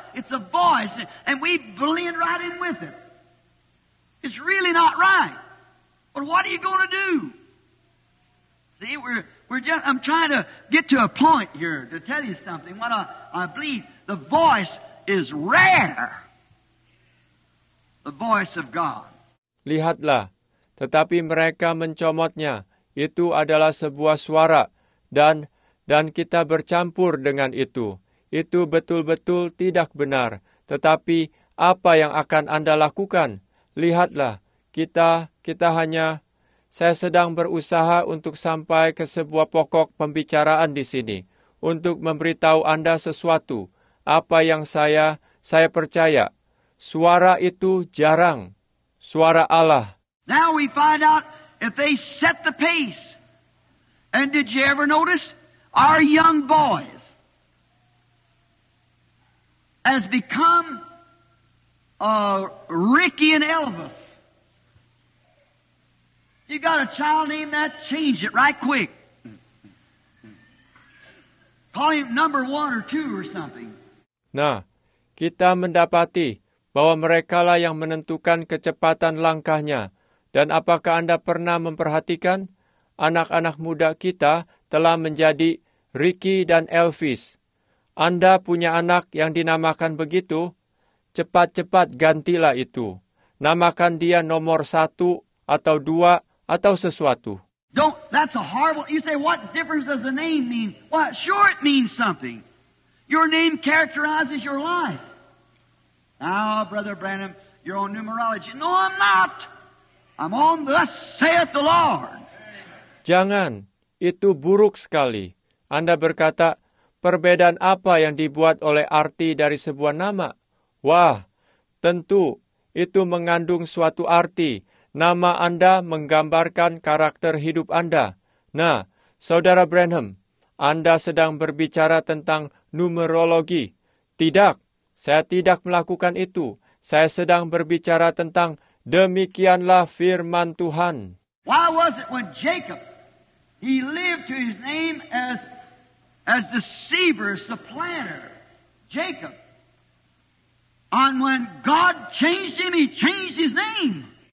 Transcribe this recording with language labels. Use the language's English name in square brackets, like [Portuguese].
[English] It's a voice, and we blend right in with it. It's really not right. But what are you going to do? See, we're just, I'm trying to get to a point here to tell you something. What I believe the voice is rare. The voice of God. [Indonesian] Lihatlah, tetapi mereka mencomotnya. Itu adalah sebuah suara, dan kita bercampur dengan itu. Itu betul-betul tidak benar. Tetapi apa yang akan Anda lakukan? Lihatlah, kita hanya, saya sedang berusaha untuk sampai ke sebuah pokok pembicaraan di sini, untuk memberitahu Anda sesuatu, apa yang saya percaya. Suara itu jarang. Suara Allah. [English] Now we find out if they set the pace. And did you ever notice our young boys has become Ricky and Elvis? You got a child named that? Change it right quick. Call him number one or two or something. [Indonesian] Nah, kita mendapati bahwa merekalah yang menentukan kecepatan langkahnya. Dan apakah Anda pernah memperhatikan? Anak-anak muda kita telah menjadi Ricky dan Elvis. Anda punya anak yang dinamakan begitu? Cepat-cepat gantilah itu. Namakan dia nomor satu atau dua atau sesuatu. [English] Don't, that's a horrible, you say, what difference does the name mean? Well, sure it means something. Your name characterizes your life. Now, Brother Branham, you're on numerology. No, I'm not. I'm on thus saith the Lord. [Indonesian] Jangan. Itu buruk sekali. Anda berkata, perbedaan apa yang dibuat oleh arti dari sebuah nama? Wah, tentu itu mengandung suatu arti. Nama Anda menggambarkan karakter hidup Anda. Nah, Saudara Branham, Anda sedang berbicara tentang numerologi. Tidak. Saya tidak melakukan itu. Saya sedang berbicara tentang demikianlah firman Tuhan. [English] Why was it when Jacob, he lived to his name as deceiver, supplanter, Jacob. And when God changed him, he changed his name.